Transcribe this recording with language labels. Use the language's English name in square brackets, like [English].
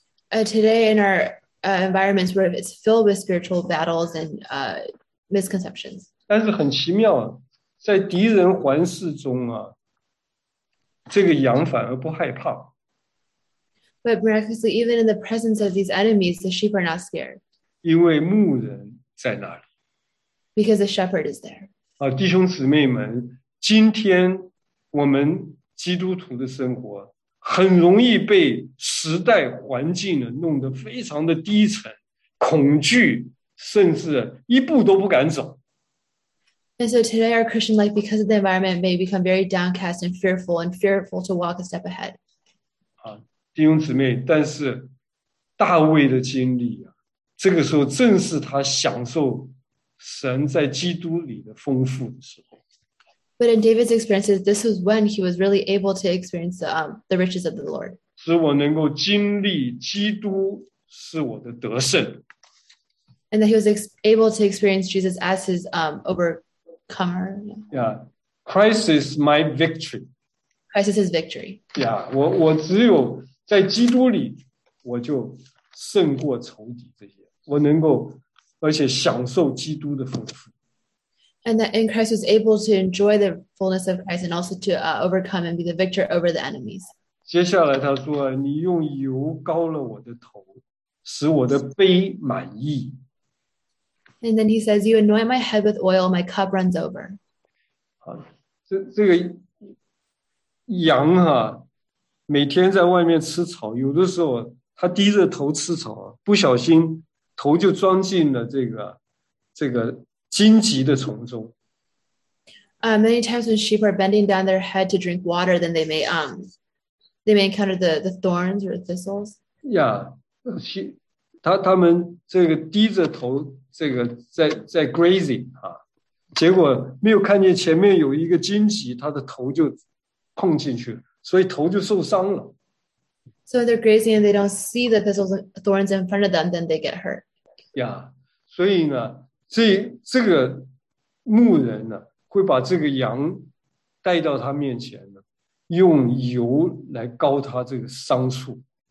[English] Today in our environments where it's filled with spiritual battles and misconceptions. [Chinese] 但是很奇妙，在敌人环视中啊，这个羊反而不害怕。 [English] But miraculously, even in the presence of these enemies, the sheep are not scared. [Chinese] 因为牧人在那里。 [English] Because the shepherd is there. [Chinese] 啊，弟兄姊妹们，今天我们。基督徒的生活很容易被时代环境呢弄得非常的低沉，恐惧，甚至一步都不敢走。 [English] And so today our Christian life, because of the environment, may become very downcast and fearful to walk a step ahead. [Chinese] 啊，弟兄姊妹，但是大卫的经历啊，这个时候正是他享受神在基督里的丰富的时候。 [English] But in David's experiences, this was when he was really able to experience the riches of the Lord. [Chinese] 使我能够经历基督是我的得胜。 [English] And that he was able to experience Jesus as his overcomer. Yeah, Christ is my victory. Christ is his victory. [Chinese] Yeah, 我只有在基督里，我就胜过仇敌这些，我能够而且享受基督的丰富。 [English] And that in Christ was able to enjoy the fullness of Christ and also to overcome and be the victor over the enemies. [Chinese] 接下来他说，你用油膏了我的头，使我的杯满溢。 [English] And then he says, you anoint my head with oil, my cup runs over. [Chinese] 这个羊啊，每天在外面吃草，有的时候他低着头吃草，不小心头就装进了这个荆棘的丛中。 [English] Many times when sheep are bending down their head to drink water, then they may encounter the thorns or thistles. [Chinese] Yeah, 他们这个低着头，这个在 grazing 啊，结果没有看见前面有一个荆棘，他的头就碰进去了，所以头就受伤了。 [English] So they're grazing and they don't see the thistles and thorns in front of them, then they get hurt. [Chinese] Yeah, 所以呢。这个牧人呢，会把这个羊带到他面前呢，用油来膏他这个伤处。